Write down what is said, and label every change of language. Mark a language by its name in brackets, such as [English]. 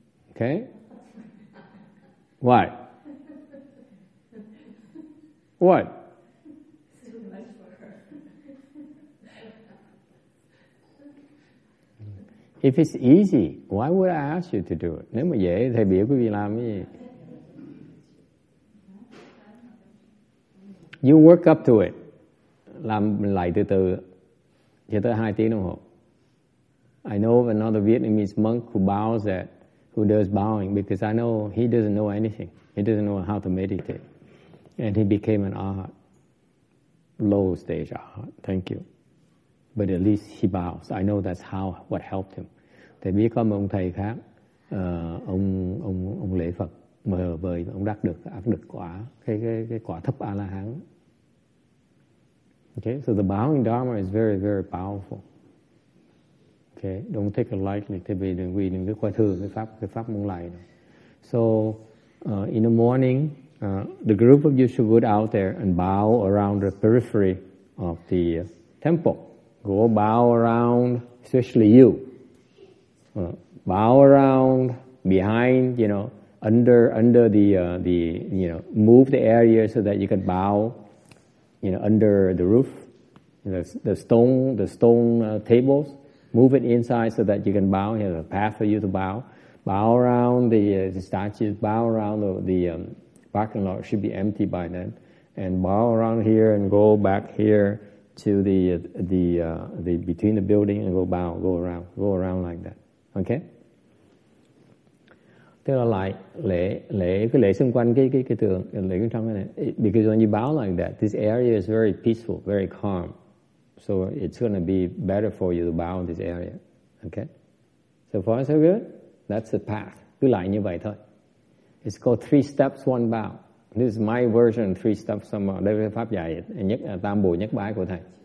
[English] Okay? What? What? It's too much for her. If it's easy, why would I ask you to do it? [Vietnamese] Nếu mà dễ, thầy biểu quý vị làm gì? [English] You work up to it. [Vietnamese] Làm lại từ từ. Chỉ tới 2 tiếng đồng hồ. [English] I know of another Vietnamese monk who bows at, who does bowing, because I know he doesn't know anything. He doesn't know how to meditate. And he became an arhat. Low stage arhat. Thank you. But at least he bows. I know that's how, what helped him. [Vietnamese] Tại vì có một ông thầy khác, ông lễ Phật, mà bởi ông đắc được, ác được quả, cái quả thấp A-la-hán. [English] Okay, so the bowing dharma is very, very powerful. Okay, don't take it lightly. [Vietnamese] Tại vì đừng coi thường cái pháp môn lại. [English] So, in the morning, the group of Yashuvut out there and bow around the periphery of the temple. Go bow around, especially you. Bow around behind, you know, under the you know, move the area so that you can bow, you know, under the roof, the stone tables. Move it inside so that you can bow. Here's a path for you to bow. Bow around the statues. Bow around the parking lot. It should be empty by then. And bow around here and go back here to the between the building and go bow. Go around like that. Okay. [Vietnamese] Tức là lại lễ lễ cái lễ xung quanh cái tường lễ bên trong cái này. [English] Because when you bow like that, this area is very peaceful, very calm. So it's going to be better for you to bow in this area. Okay? So far so good? That's the path. [Vietnamese] Cứ lại như vậy thôi. [English] It's called three steps, one bow. This is my version of three steps, one bow. [Vietnamese] Đây là pháp dạy nhất tam bộ nhất bái của Thầy.